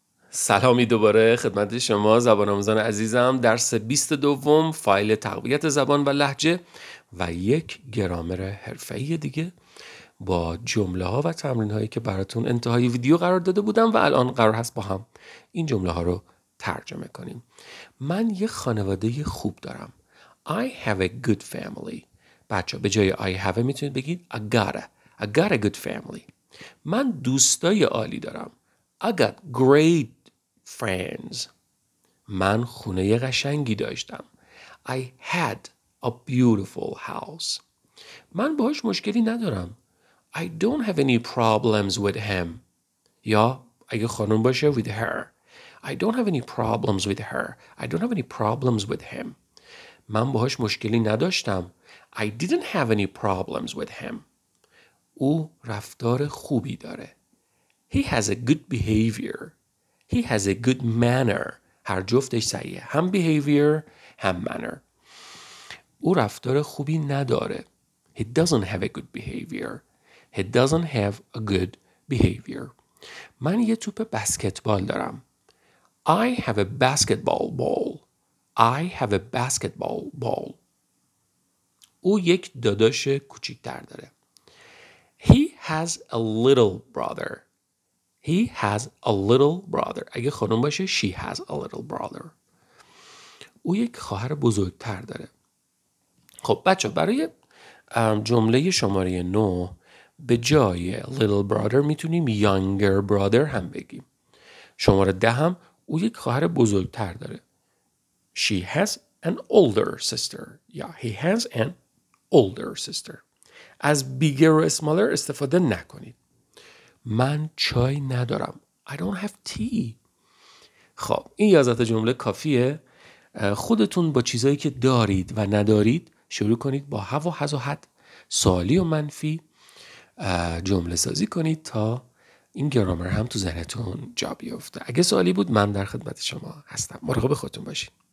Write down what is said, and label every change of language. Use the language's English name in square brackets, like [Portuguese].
[Persian] سلامی دوباره خدمت شما زبان آموزان عزیزم، درس 22 فایل تقویت زبان و لهجه و یک گرامر حرفه‌ای دیگه با جمله ها و تمرین هایی که براتون انتهای ویدیو قرار داده بودم و الان قرار هست با هم این جمله ها رو ترجمه کنیم. من یک خانواده خوب دارم. [English] I have a good family. [Persian] بچه به جای I have میتونید بگید [English] I got a good family. [Persian] من دوستای عالی دارم. [English] I got great friends. [Persian] من خونه قشنگی داشتم. [English] I had a beautiful house. [Persian] من باهاش مشکلی ندارم. [English] I don't have any problems with him. [Persian] یا اگه خانم باشه [English] with her. I don't have any problems with her. I don't have any problems with him. [Persian] من باهاش مشکلی نداشتم. [English] I didn't have any problems with him. [Persian] او رفتار خوبی داره. [English] He has a good behavior. He has a good manner. [Persian] هر جفتش صحیحه. هم behavior، هم manner. او رفتار خوبی نداره. [English] He doesn't have a good behavior. He doesn't have a good behavior. [Persian] من یه توپ بسکتبال دارم. [English] I have a basketball ball. I have a basketball ball. [Persian] او یک داداش کوچیک‌تر داره. [English] He has a little brother. He has a little brother. [Persian] اگه خانم باشه [English] she has a little brother. [Persian] او یک خواهر بزرگتر داره. خب بچه برای جمله شماره 9 به جای little brother میتونیم younger brother هم بگیم. شماره 10 هم او یک خواهر بزرگتر داره. [English] She has an older sister. Yeah, he has an older sister. [Persian] از bigger و smaller استفاده نکنید. من چای ندارم. [English] I don't have tea. [Persian] خب این 11 تا جمله کافیه. خودتون با چیزایی که دارید و ندارید شروع کنید با هو و هز و حد سوالی و منفی جمله سازی کنید تا این گرامر هم تو ذهنتون جا بیفته. اگه سوالی بود من در خدمت شما هستم. مراقب خودتون باشید.